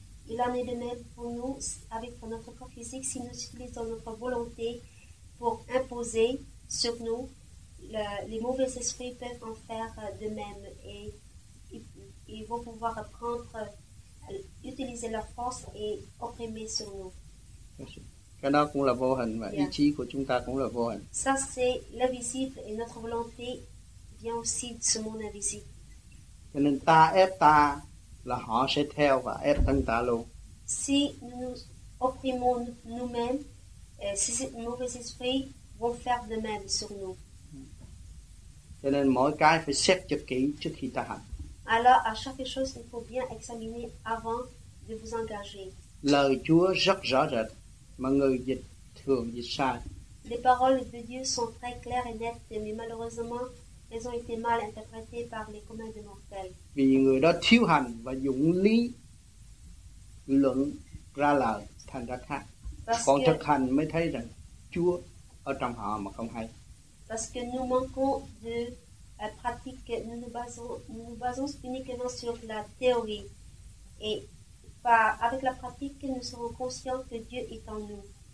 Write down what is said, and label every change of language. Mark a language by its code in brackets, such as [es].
[fr] Il en est de même pour nous avec notre corps physique. Si nous utilisons notre volonté pour imposer sur nous, les mauvais esprits peuvent en faire de même et ils vont pouvoir prendre, utiliser leur force et opprimer sur nous. [vi] Cái đó cũng là vô hình và ý chí của chúng ta cũng là vô hình. [fr] Ça c'est l'invisible et notre volonté vient aussi de ce monde invisible. [vi] Cho nên ta ép ta là họ sẽ theo và ép thân ta luôn. [fr] Si nous opprimons nous-mêmes, si ces mauvais esprits vont faire de même sur nous. [vi] Cho nên mỗi cái phải xét cho kỹ trước khi ta hành. [fr] Alors à chaque chose il faut bien examiner avant de vous engager. [vi] Lời Chúa rất rõ rệt mà người dịch thường dịch sai. [fr] Les paroles de Dieu sont très claires et nettes, mais malheureusement elles ont été mal interprétées par les communs des mortels. [vi] Vì người đó thiếu hành và dụng lý luận ra lời thành ra khác. Còn thực hành mới thấy rằng Chúa ở trong họ mà không hay. [fr] Parce que nous manquons de pratique, nous nous basons uniquement sur la théorie et pas avec la pratique nous serons conscients que Dieu est en nous.